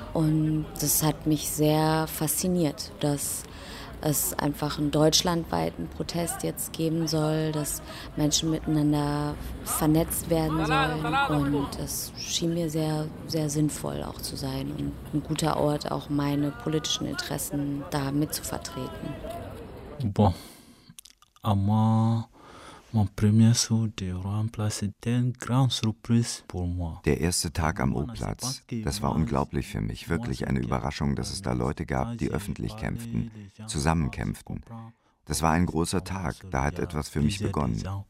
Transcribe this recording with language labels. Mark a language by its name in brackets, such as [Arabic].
[German] Und das hat mich sehr fasziniert, dass es einfach einen deutschlandweiten Protest jetzt geben soll, dass Menschen miteinander vernetzt werden sollen. Und das schien mir sehr, sehr sinnvoll auch zu sein und ein guter Ort, auch meine politischen Interessen da mitzuvertreten. [French] Bon, aber mon premier jour de Rouen-Place était une grande surprise pour moi. [German] Der erste Tag am O-Platz, das war unglaublich für mich, wirklich eine Überraschung, dass es da Leute gab, die öffentlich kämpften, zusammen kämpften. Das war ein großer Tag, da hat etwas für mich begonnen.